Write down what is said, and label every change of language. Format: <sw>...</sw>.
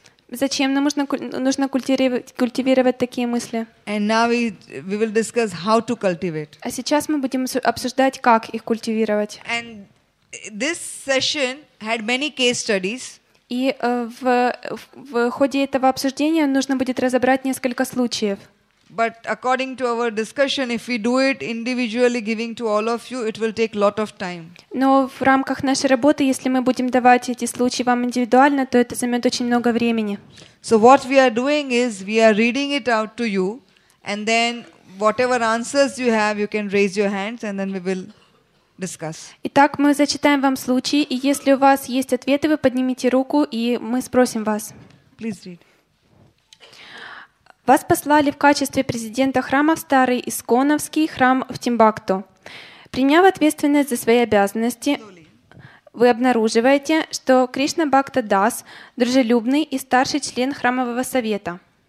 <ru>Зачем нам нужно культивировать такие мысли?</ru> <en>And now we will discuss how to cultivate.</en> <ru>А сейчас мы будем обсуждать, как их культивировать.</ru> <en>And this session had many case studies.</en> <ru>И в ходе этого обсуждения нужно будет разобрать несколько случаев.</ru> <en>But according to our discussion, if we do it individually, giving to all of you, it will take lot of time.</en> <ru>Но в рамках нашей работы, если мы будем давать эти случаи вам индивидуально, то это займет очень много времени.</ru> <en>So what we are doing is we are reading it out to you, and then whatever answers you have, you can raise your hands, and then we will discuss.</en> <ru>Итак, мы зачитаем вам случаи, и если у вас есть ответы, вы поднимите руку, и мы спросим вас.</ru> <en>Please read.</en> <ru>Вас послали в качестве президента храма в Старый Исконовский храм в Тимбукту. Приняв ответственность за свои обязанности, вы обнаруживаете, что Кришна Бхакта Дас – дружелюбный и старший член храмового совета.</ru>